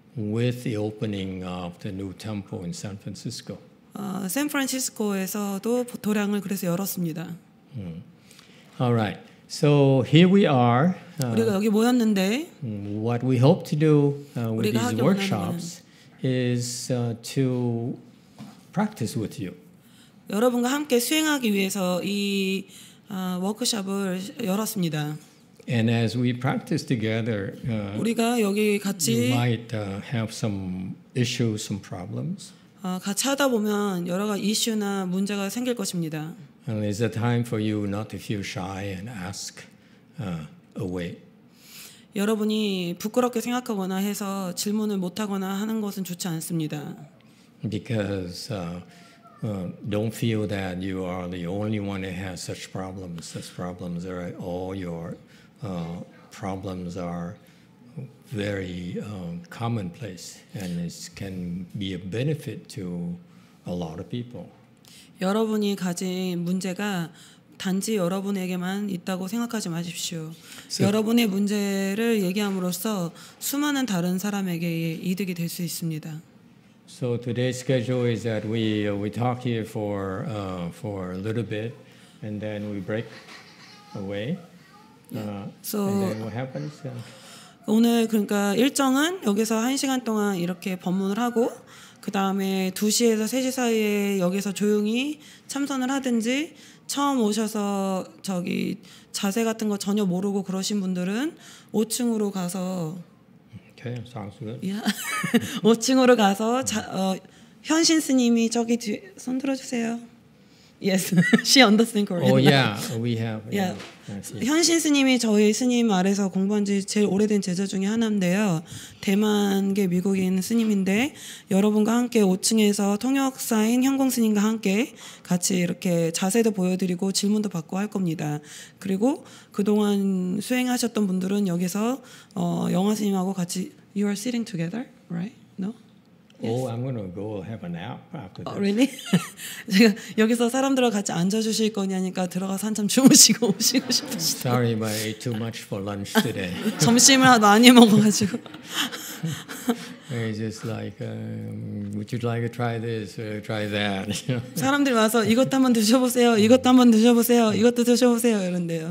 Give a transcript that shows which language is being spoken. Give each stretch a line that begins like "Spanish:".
English: With the opening of the new temple in San Francisco.
Korean: 샌프란시스코에서도 도량을 그래서 열었습니다.
English: All right. So here we are.
Korean: 우리가 여기 모였는데.
English: What we hope to do with these workshops is to practice with you.
Korean: 여러분과 함께 수행하기 위해서 이 워크숍을 열었습니다.
English: And as we practice together,
Korean: 우리가 여기 같이
English: you might have some issues, some problems.
Korean: 같이 하다 보면 여러 가지 이슈나 문제가 생길 것입니다.
English: And it's a time for you not to feel shy and ask away.
Korean: 여러분이 부끄럽게 생각하거나 해서 질문을 못 하거나 하는 것은 좋지 않습니다.
English: Because don't feel that you are the only one who has such problems. Such problems are all your problems are very commonplace, and it can be a benefit to a lot of people.
Korean: 여러분이 가진 문제가 단지 여러분에게만 있다고 생각하지 마십시오. 여러분의 문제를 얘기함으로써 수많은 다른 사람에게 이득이 될 수 있습니다.
English: So today's schedule is that we talk here for a little bit, and then we break away. So, and then what happens?
Korean: 오늘 그러니까 일정은 여기서 1시간 동안 이렇게 법문을 하고 그 다음에 2시에서 3시 사이에 여기서 조용히 참선을 하든지 처음 오셔서 저기 자세 같은 거 전혀 모르고 그러신 분들은 5층으로 가서
English: okay, sounds good. Yeah.
Korean: 5층으로 가서 현신 스님이 저기 뒤에 손 들어주세요.
English: Yes, she understands Korean. Oh yeah, we have. Yeah. Yeah.
Korean: 현신 스님이 저희 스님 아래서 공부한 지 제일 오래된 제자 중에 하나인데요. 대만계 미국인 스님인데 여러분과 함께 5층에서 통역사인 현공 스님과 함께 같이 이렇게 자세도 보여드리고 질문도 받고 할 겁니다. 그리고 그동안 수행하셨던 분들은 여기서 영화 스님하고 같이
English: You are sitting together, right? No? Yes. Oh, I'm going to go have a nap after this. Oh, really?
Korean: 제가 여기서 사람들과 같이 앉아주실 거냐니까 들어가서 한참 주무시고 오시고 싶으시죠.
English: Sorry, but I ate too much for lunch today.
Korean: 점심을 많이 먹어가지고.
English: It's just like, would you like to try this or try that?
Korean: 사람들이 와서 이것도 한번 드셔보세요, 이것도 한번 드셔보세요, 이것도 드셔보세요 이런데요.